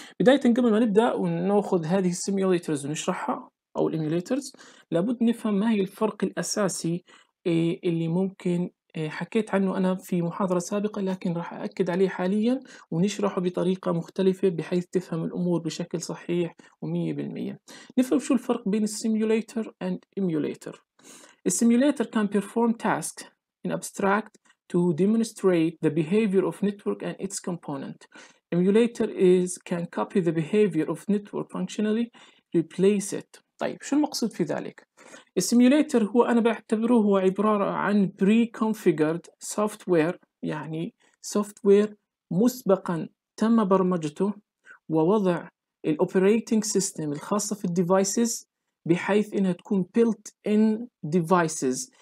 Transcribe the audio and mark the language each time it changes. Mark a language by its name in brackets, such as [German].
[Arabic] بداية قبل ما نبدأ ونأخذ هذه Simulators ونشرحها أو الإيميوليترز، لابد نفهم ما هي الفرق الأساسي اللي ممكن حكيت عنه أنا في محاضرة سابقة، لكن راح أأكد عليه حاليا ونشرحه بطريقة مختلفة بحيث تفهم الأمور بشكل صحيح ومية بالمية. نفهم شو الفرق بين السيميوليتر and إيميوليتر. [English] السيميوليتر can perform tasks in abstract to demonstrate the behavior of network and its component. Emulator is can copy the behavior of network functionally, replace it. [Arabic] طيب شو المقصود في ذلك؟ السيميوليتر هو أنا بعتبره هو عبارة عن pre-configured software، يعني software مسبقا تم برمجته ووضع الoperating system الخاصة في الديفايسز بحيث إنها تكون built-in devices.